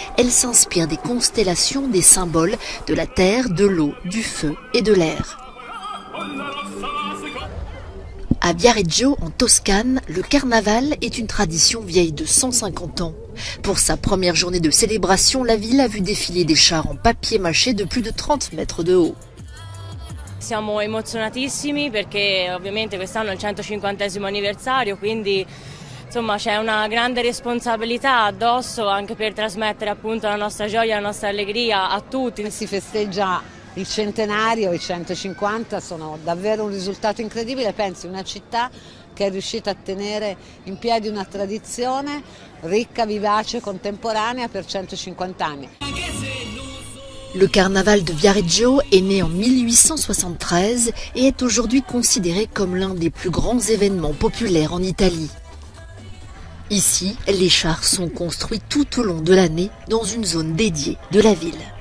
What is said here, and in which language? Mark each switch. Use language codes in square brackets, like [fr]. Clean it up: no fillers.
[fr] Elle s'inspire des constellations, des symboles de la terre, de l'eau, du feu et de l'air. À Viareggio, en Toscane, le carnaval est une tradition vieille de 150 ans. Pour sa première journée de célébration, la ville a vu défiler des chars en papier mâché de plus de 30 mètres de haut. [it] Siamo emozionatissimi perché ovviamente quest'anno è il 150esimo anniversario, quindi insomma c'è una grande responsabilità addosso anche per trasmettere appunto la nostra gioia, la nostra allegria a tutti. Si festeggia il centenario, i 150 sono davvero un risultato incredibile. Pensi, una città che è riuscita a tenere in piedi una tradizione ricca, vivace, contemporanea per 150 anni. [fr] Le carnaval de Viareggio est né en 1873 et est aujourd'hui considéré comme l'un des plus grands événements populaires en Italie. Ici, les chars sont construits tout au long de l'année dans une zone dédiée de la ville.